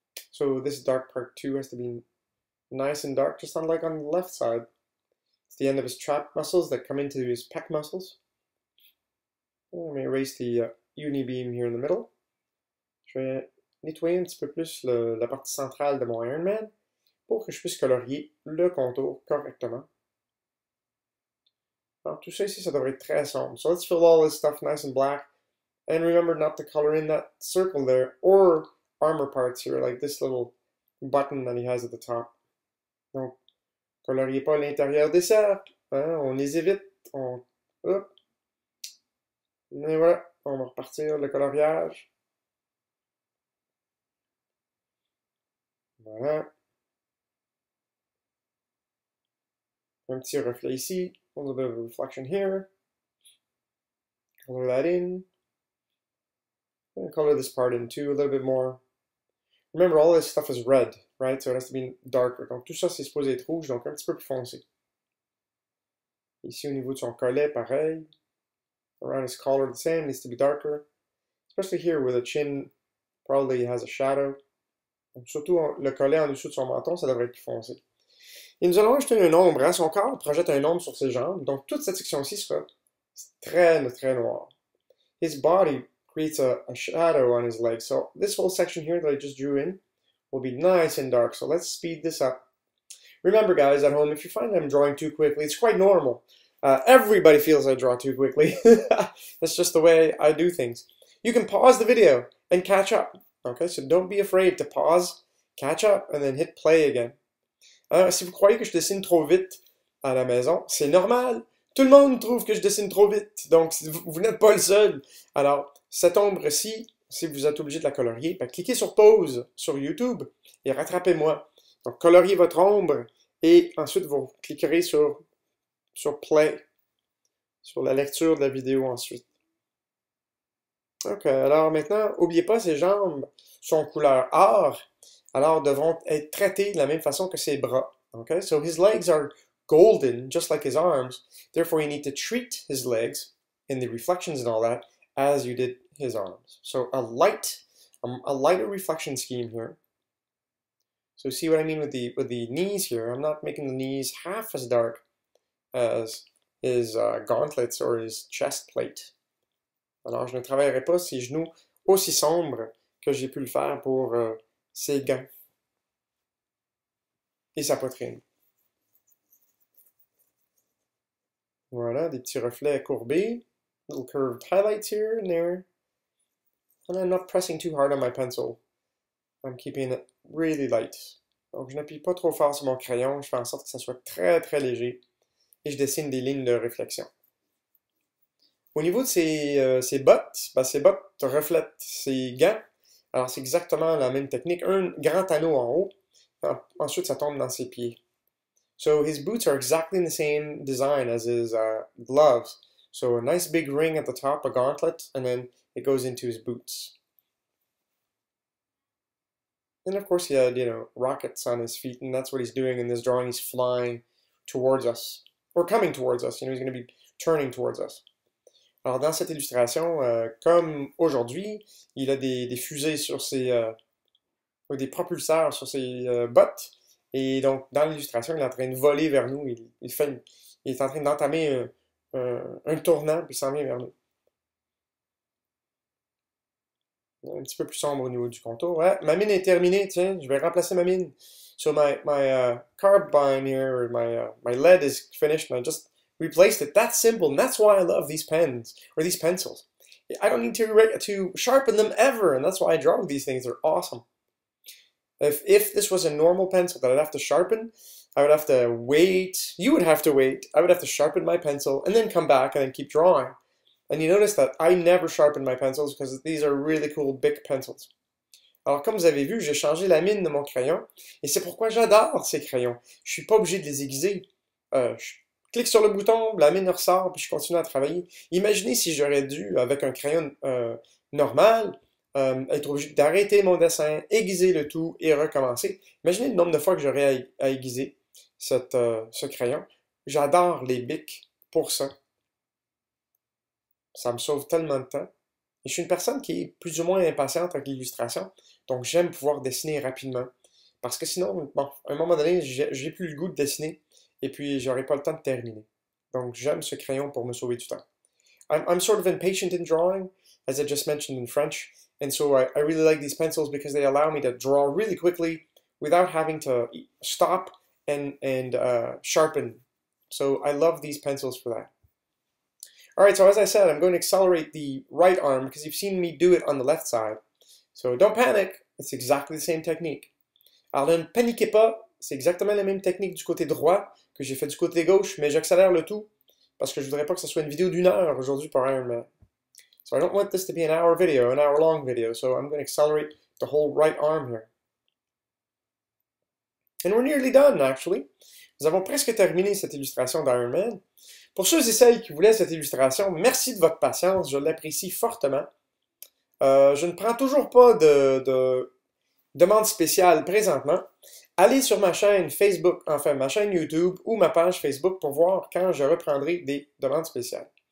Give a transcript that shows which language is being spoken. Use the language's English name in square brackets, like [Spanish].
[English] So, this dark part too has to be nice and dark, just unlike on the left side. It's the end of his trap muscles that come into his pec muscles. Let me erase the uni-beam here in the middle. [French] Je vais nettoyer un petit peu plus la partie centrale de mon IronMan pour que je puisse colorier le contour correctement. Alors, tout ça ici, ça devrait être très sombre. [English] So let's fill all this stuff nice and black. And remember not to color in that circle there or armor parts here, like this little button that he has at the top. [French] Donc, coloriez pas l'intérieur des cercles. Hein? On les évite. Hop. Mais voilà, on va repartir le coloriage. Voilà. Un petit reflet ici. [English] A little bit of a reflection here. Color that in. And color this part in too, a little bit more. Remember, all this stuff is red, right? So it has to be darker. [French] Donc tout ça, c'est supposé être rouge, donc un petit peu plus foncé. Ici, au niveau de son collet, pareil. [English] Around his collar, the same, needs to be darker. Especially here, where the chin probably has a shadow. [French] Donc, surtout le collet en dessous de son menton, ça devrait être foncé. Et nous allons ajouter une ombre. Hein? Son corps projette une ombre sur ses jambes. Donc, toute cette section-ci sera très, très noire. [English] His body creates a shadow on his legs. So, this whole section here that I just drew in will be nice and dark. So, let's speed this up. Remember, guys, at home, if you find I'm drawing too quickly, it's quite normal. Everybody feels I draw too quickly. That's just the way I do things. You can pause the video and catch up. Okay, so don't be afraid to pause, catch up, and then hit play again. [French] Si vous croyez que je dessine trop vite à la maison, c'est normal. Tout le monde trouve que je dessine trop vite. Donc, vous n'êtes pas le seul. Alors, cette ombre-ci, si vous êtes obligé de la colorier, ben, cliquez sur pause sur YouTube et rattrapez-moi. Donc, coloriez votre ombre et ensuite, vous cliquerez sur play, sur la lecture de la vidéo ensuite. Ok, alors maintenant, n'oubliez pas, ses jambes sont couleur or, alors devront être traitées de la même façon que ses bras. [English] Ok, so his legs are golden, just like his arms, therefore you need to treat his legs, in the reflections and all that, as you did his arms. So a lighter reflection scheme here. So see what I mean with the knees here, I'm not making the knees half as dark as his gauntlets or his chest plate. [French] Alors, je ne travaillerai pas ses genoux aussi sombres que j'ai pu le faire pour ses gants et sa poitrine. Voilà, des petits reflets courbés. [English] Little curved highlights here and there. And I'm not pressing too hard on my pencil. I'm keeping it really light. [French] Donc, je n'appuie pas trop fort sur mon crayon. Je fais en sorte que ça soit très, très léger. Et je dessine des lignes de réflexion. Au niveau de ses bottes, ben, ses bottes reflètent ses gants. Alors, c'est exactement la même technique. Un grand anneau en haut, ensuite, ça tombe dans ses pieds. [English] So, his boots are exactly the same design as his gloves. So, a nice big ring at the top, a gauntlet, and then it goes into his boots. And of course, he had, rockets on his feet, and that's what he's doing in this drawing. He's flying towards us, or coming towards us. He's going to be turning towards us. [French] Alors, dans cette illustration, comme aujourd'hui, il a des fusées sur ses, ou des propulseurs sur ses bottes. Et donc, dans l'illustration, il est en train de voler vers nous. Il est en train d'entamer un tournant, puis s'en vient vers nous. Un petit peu plus sombre au niveau du contour. Ouais, ma mine est terminée, tiens, je vais remplacer ma mine. [English] So my lead is finished, and I just replaced it. That's simple, and that's why I love these pens, or these pencils. I don't need to sharpen them ever, and that's why I draw with these things. They're awesome. If this was a normal pencil that I'd have to sharpen, I would have to wait. You would have to wait. I would have to sharpen my pencil and then come back and then keep drawing. And you notice that I never sharpen my pencils because these are really cool Bic pencils. [French] Alors, comme vous avez vu, j'ai changé la mine de mon crayon et c'est pourquoi j'adore ces crayons. Je suis pas obligé de les aiguiser. Je clique sur le bouton, la mine ressort, puis je continue à travailler. Imaginez si j'aurais dû, avec un crayon normal, être obligé d'arrêter mon dessin, aiguiser le tout et recommencer. Imaginez le nombre de fois que j'aurais à aiguiser ce crayon. J'adore les bics pour ça. Ça me sauve tellement de temps. Et je suis une personne qui est plus ou moins impatiente avec l'illustration, donc j'aime pouvoir dessiner rapidement. Parce que sinon, bon, à un moment donné, j'ai plus le goût de dessiner et puis j'aurai pas le temps de terminer. Donc j'aime ce crayon pour me sauver du temps. [English] I'm sort of impatient in drawing, as I just mentioned in French. And so I really like these pencils because they allow me to draw really quickly without having to stop and sharpen. So I love these pencils for that. All right, so as I said, I'm going to accelerate the right arm because you've seen me do it on the left side. So don't panic, it's exactly the same technique. [French] Alors ne paniquez pas, c'est exactement la même technique du côté droit que j'ai fait du côté gauche, mais j'accélère le tout parce que je voudrais pas que ce soit une vidéo d'une heure aujourd'hui pour IronMan. [English] So I don't want this to be an hour video, an hour long video. So I'm going to accelerate the whole right arm here. And we're nearly done, actually. [French] Nous avons presque terminé cette illustration d'Iron Man. Pour ceux et celles qui voulaient cette illustration, merci de votre patience. Je l'apprécie fortement. Je ne prends toujours pas de demande spéciale présentement. Allez sur ma chaîne Facebook, enfin ma chaîne YouTube ou ma page Facebook pour voir quand je reprendrai des demandes spéciales.